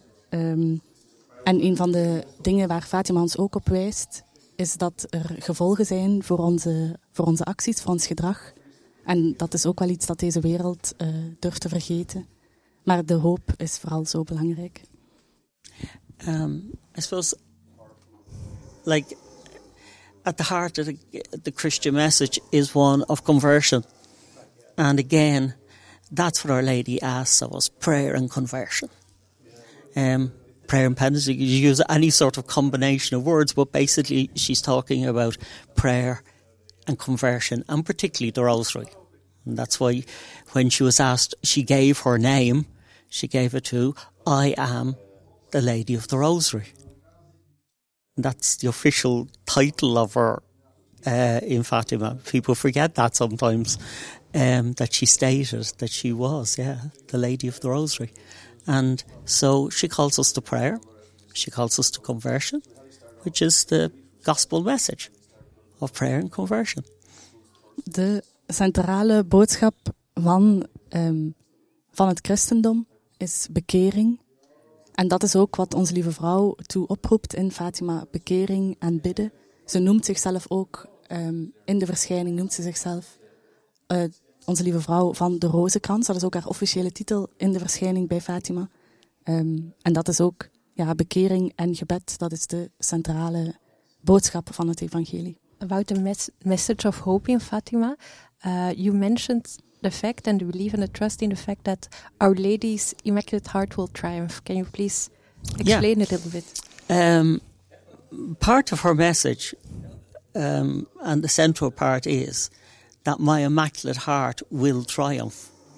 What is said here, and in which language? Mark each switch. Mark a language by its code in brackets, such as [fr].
[nl] En een van de dingen waar Fatima ons ook op wijst, is dat er gevolgen zijn voor onze acties, voor ons gedrag. En dat is ook wel iets dat deze wereld durft te vergeten. Maar de hoop is vooral zo belangrijk. [en] I suppose, at the heart of the Christian message is one of conversion. And again, that's what Our Lady asks of us, prayer and conversion. Prayer and penance, you use any sort of combination of words, but basically she's talking about prayer and conversion, and particularly the rosary. And that's why when she was asked, she gave her name, she gave it to, I am the Lady of the Rosary. That's the official title of her in Fatima. People forget that sometimes, that she stated that she was, the Lady of the Rosary. And so she calls us to prayer. She calls us to conversion, which is the gospel message of prayer and conversion. [nl] De centrale boodschap van het christendom is bekering. En dat is ook wat Onze Lieve Vrouw toe oproept in Fatima, bekering en bidden. Ze noemt zichzelf ook, in de verschijning noemt ze zichzelf Onze Lieve Vrouw van de Rozenkrans. Dat is ook haar officiële titel in de verschijning bij Fatima. En dat is ook ja, bekering en gebed, dat is de centrale boodschap van het evangelie. [en] About the message of hope in Fatima, you mentioned the fact and the belief and the trust in the fact that Our Lady's Immaculate Heart will triumph. Can you please explain a little bit? Part of her message, and the central part, is that my Immaculate Heart will triumph.